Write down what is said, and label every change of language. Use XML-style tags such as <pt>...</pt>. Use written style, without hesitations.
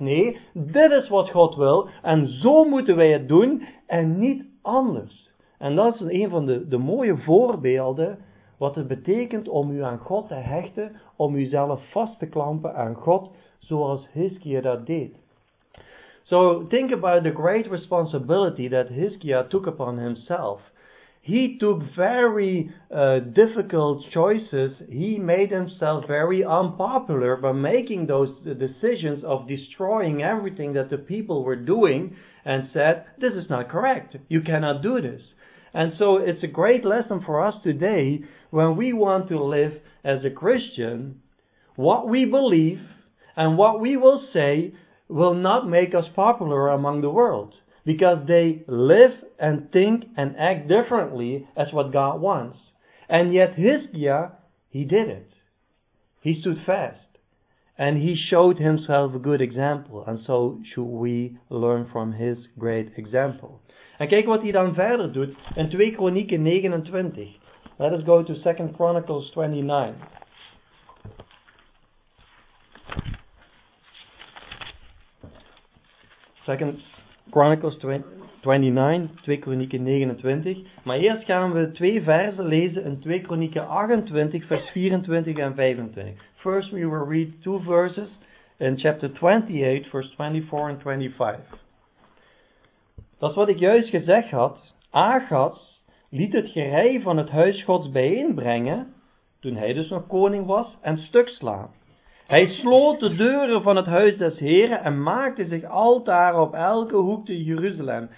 <nl>Nee, dit is wat God wil. En zo moeten wij het doen en niet anders. En dat is een van de mooie voorbeelden wat het betekent om u aan God te hechten, om uzelf vast te klampen aan God zoals Hiskia dat deed.</nl> <en>So think about the great responsibility that Hiskia took upon himself. He took very difficult choices. He made himself very unpopular by making those decisions of destroying everything that the people were doing and said, this is not correct. You cannot do this. And so it's a great lesson for us today when we want to live as a Christian. What we believe and what we will say will not make us popular among the world, because they live and think and act differently as what God wants. And yet Hiskia, he did it. He stood fast. And he showed himself a good example. And so should we learn from his great example.</en> <nl>En kijk wat hij dan verder doet in 2 Kronieken 29.</nl> <en>Let us go to 2 Chronicles 29. Second Chronicles 29,</en> <nl>2 Kronieken 29. Maar eerst gaan we twee versen lezen in 2 Kronieken 28, vers 24 en 25.</nl> <en>First we will read two verses in chapter 28, verse 24 and 25.</en> <nl>Dat is wat ik juist gezegd had. Achas liet het gerei van het huis Gods bijeenbrengen, toen hij dus nog koning was, en stuk slaan. Hij sloot de deuren van het huis des Heren en maakte zich altaar op elke hoek te Jeruzalem.</nl>